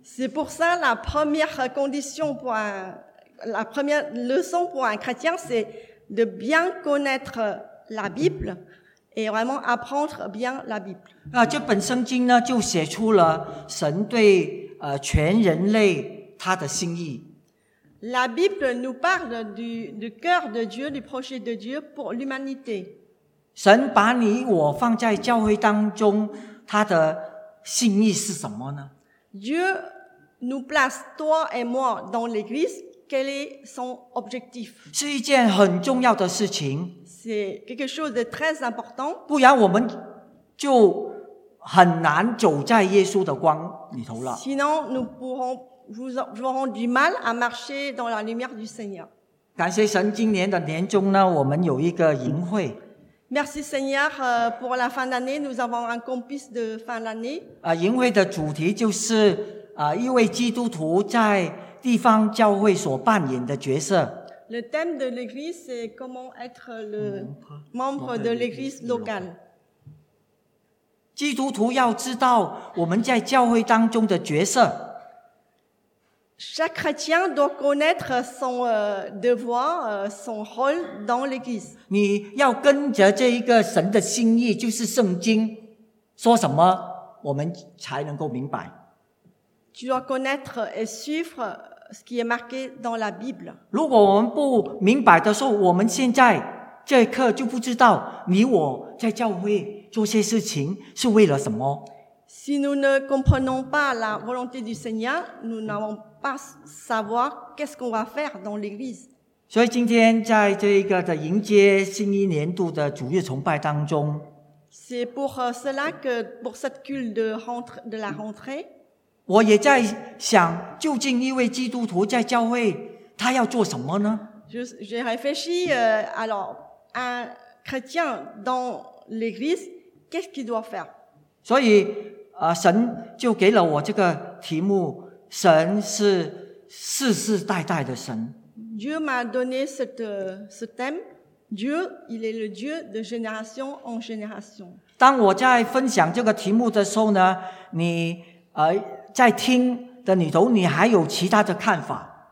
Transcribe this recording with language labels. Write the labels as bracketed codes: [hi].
[fr] C'est pour ça la première condition pour un, la première leçon pour un chrétien, c'est de bien connaître la Bible et vraiment apprendre bien la Bible. [zh] 这本圣经呢，就写出了神对全人类他的心意。 [fr] La Bible nous parle du cœur de Dieu, du projet de Dieu pour l'humanité. [zh] 神把你我放在教会当中，他的心意是什么呢？ [fr] Dieu nous place toi et moi dans l'Église. Quel est son objectif? [zh] 是一件很重要的事情。 [fr] C'est quelque chose de très important. [zh] 不然我们就很难走在耶稣的光里头了。 [fr] Sinon, nous aurons du mal à marcher dans la lumière du Seigneur. [zh] 感谢神，今年的年终呢，我们有一个营会。 [fr] Merci Seigneur, pour la fin d'année, nous avons un campus de fin d'année. [zh] 营会的主题就是一位基督徒在地方教会所扮演的角色。 [fr] Le thème de l'église, c'est comment être le membre de l'église locale. [zh] 基督徒要知道我们在教会当中的角色。 [fr] Chaque chrétien doit connaître son devoir, son rôle dans l'Église. [zh] 你要跟着这一个神的心意，就是圣经说什么，我们才能够明白。 [fr] Tu dois connaître et suivre ce qui est marqué dans la Bible. [zh] 如果我们不明白的时候，我们现在这一刻就不知道你我在教会做些事情是为了什么。 [fr] Si nous ne comprenons pas la volonté du Seigneur, nous n'allons pas savoir qu'est-ce qu'on va faire dans l'Église. [zh] 所以今天在这个的迎接新一年度的主日崇拜当中。 [fr] C'est pour cela que pour cette culte de la rentrée. [zh] 我也在想，究竟一位基督徒在教会他要做什么呢？ [fr] J'ai réfléchi, alors, un chrétien dans l'église, qu'est-ce qu'il doit faire? [zh] 所以神就给了我这个题目，神是世世代代的神。 [fr] Dieu m'a donné ce thème, Dieu, il est le Dieu de génération en génération. [zh] 当我在分享这个题目的时候呢，你在听的里头，你还有其他的看法。